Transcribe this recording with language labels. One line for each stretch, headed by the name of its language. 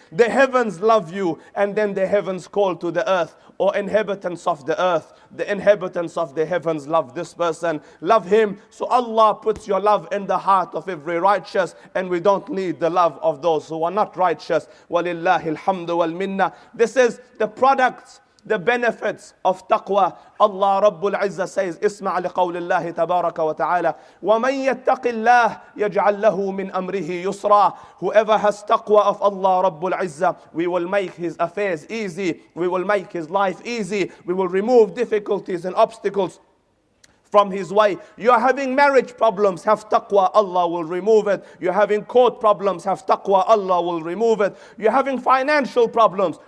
English: The heavens love you. And then the heavens call to the earth, or inhabitants of the earth, the inhabitants of the heavens love this person, love him. So Allah puts your love in the heart of every righteous, and we don't need the love of those who are not righteous.
Arabic: Walillahi alhamdu wal minna.
English: This is the product, the benefits of taqwa. Allah Rabbul Izzah says,
Arabic: اسمع لقول الله تبارك وتعالى ومن يتق الله يجعل له من أمره يسرا.
English: Whoever has taqwa of Allah Rabbul Izzah, we will make his affairs easy. We will make his life easy. We will remove difficulties and obstacles from his way. You're having marriage problems, have taqwa, Allah will remove it. You're having court problems, have taqwa, Allah will remove it. You're having financial problems,